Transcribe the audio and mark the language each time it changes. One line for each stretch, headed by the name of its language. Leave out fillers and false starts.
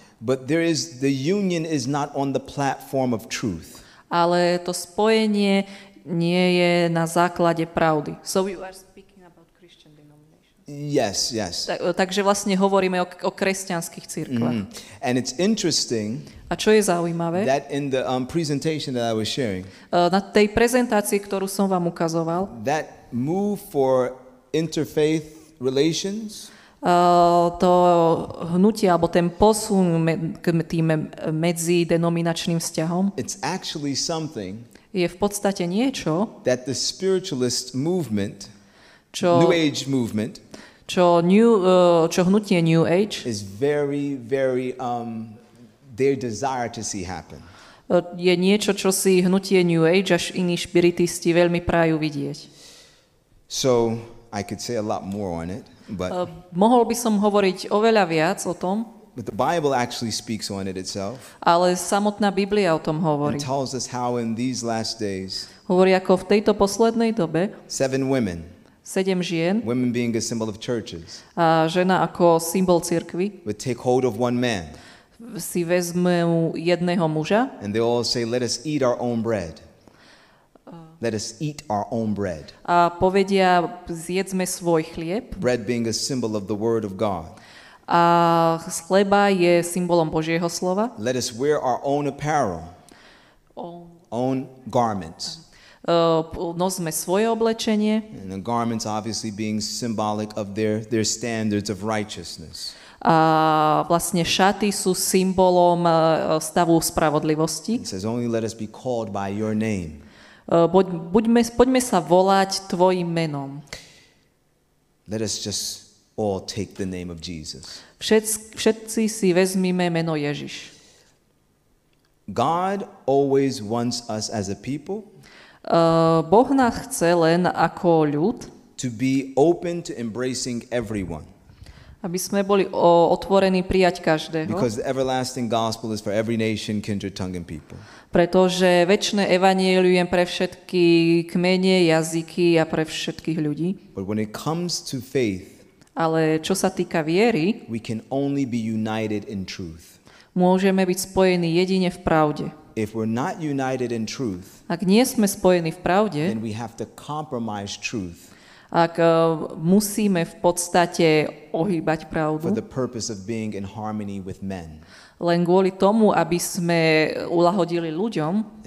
English: but the union is not on the platform of truth.
Slovak: ale to spojenie nie je na základe pravdy.
English: So you are speaking about Christian denominations. Yes, yes.
Slovak: Takže vlastne hovoríme o kresťanských cirkvách. Mm.
English: And it's interesting.
Slovak: A čo je zaujímavé?
English: That in the presentation that I was sharing.
Slovak: Na tej prezentácii, ktorú som vám ukazoval.
English: That move for interfaith relations.
Slovak: To hnutie alebo ten posun k tým medzi denominačným vzťahom.
English: It's actually something.
Slovak: Je v podstate niečo,
English: that the spiritualist movement, čo, New Age movement,
Slovak: čo hnutie New Age,
English: is very, very, their desire to see happen.
Slovak: Je niečo, čo si hnutie New Age až iní spiritisti veľmi prajú vidieť.
English: So, I could say a lot more on it, but...
Slovak: Mohol by som hovoriť oveľa viac o tom,
English: but the Bible actually speaks on it itself.
Slovak: Ale samotná Biblia o tom hovorí.
English: It tells us how in these last days.
Slovak: Hovorí ako v tejto poslednej dobe.
English: Seven women.
Slovak: Sedem žien.
English: Women being a symbol of churches.
Slovak: A žena ako symbol cirkvi.
English: Would take hold of one man.
Slovak: Si vezmú jedného muža.
English: And they all say, let us eat our own bread. Let us eat our own bread.
Slovak: A povedia, zjedzme svoj chlieb.
English: Bread being a symbol of the word of God.
Slovak: A chleba je symbolom Božieho slova.
English: Let us wear our own apparel. Own garments.
Slovak: Nosme svoje oblečenie.
English: And the garments obviously being symbolic of their standards of righteousness.
Slovak: A vlastne šaty sú symbolom stavu spravodlivosti.
English: It says only let us be called by your name.
Slovak: Poďme sa volať tvojim menom.
English: Let us just all take the name of Jesus.
Slovak: Všetci si vezmime meno Ježiš.
English: God always wants us as a people.
Slovak: Boh nás chce len ako ľud.
English: To be open to embracing everyone.
Slovak: Aby sme boli otvorení prijať každého.
English: Because the everlasting gospel is for every nation, kindred, tongue and people.
Slovak: Pretože večné evanjelium pre všetky kmene, jazyky a pre všetkých ľudí.
English: But when it comes to faith,
Slovak: ale čo sa týka viery,
English: we can only be united in truth.
Slovak: Môžeme byť spojení jedine v pravde.
English: If we're not united in truth,
Slovak: ak nie sme spojení v pravde,
English: then we have to compromise truth.
Slovak: Ak musíme v podstate ohýbať pravdu,
English: for the purpose of being in harmony with men.
Slovak: Len kvôli tomu, aby sme uľahodili ľuďom,